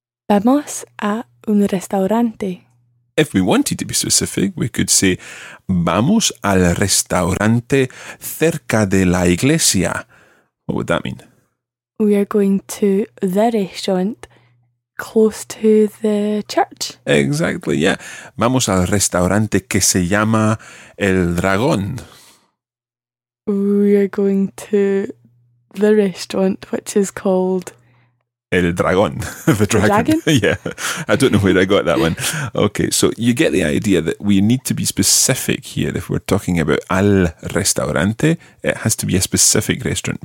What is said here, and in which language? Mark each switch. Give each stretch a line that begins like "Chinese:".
Spanish: Vamos a un restaurante.
English: If we wanted to be specific, we could say,
Spanish: vamos al restaurante cerca de la iglesia.
English: What would that mean? We are going to the restaurant close to the church. Exactly, yeah.
Spanish: Vamos al restaurante que se llama El Dragón.
English: We are going to the restaurant which is called El Dragón, the dragon. Yeah, I don't know where I got that one. Okay, so you get the idea that we need to be specific here. If we're talking about
Spanish: al restaurante,
English: it has to be a specific restaurant.